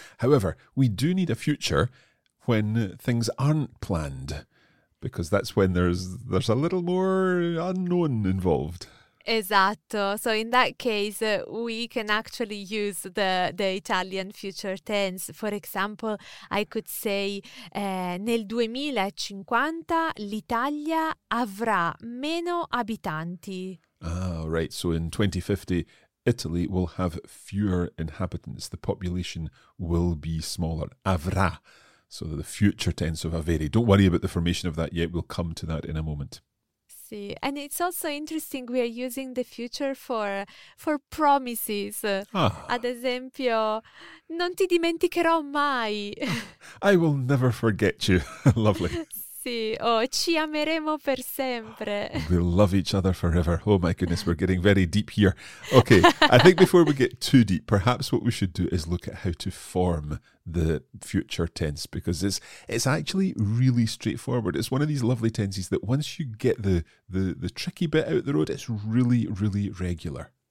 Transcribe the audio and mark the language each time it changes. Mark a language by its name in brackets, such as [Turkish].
[English] However, we do need a future when things aren't planned, because that's when there's a little more unknown involved. [Italian] Esatto. [English] So in that case, we can actually use the Italian future tense. For example, I could say [Italian] nel 2050 l'Italia avrà meno abitanti. [English] Ah, right. So in 2050, Italy will have fewer inhabitants. The population will be smaller. Avrà. So the future tense of avere. Don't worry about the formation of that yet. We'll come to that in a moment. See, and it's also interesting we are using the future for promises. Ah. [Italian] Ad esempio, non ti dimenticherò mai. [English] I will never forget you. Lovely. [Italian] Oh, ci ameremo per sempre. [English] We'll love each other forever. Oh my goodness, we're getting very deep here. Okay, I think before we get too deep, perhaps what we should do is look at how to form the future tense, because it's actually really straightforward. It's one of these lovely tenses that once you get the tricky bit out of the road, it's really, really regular.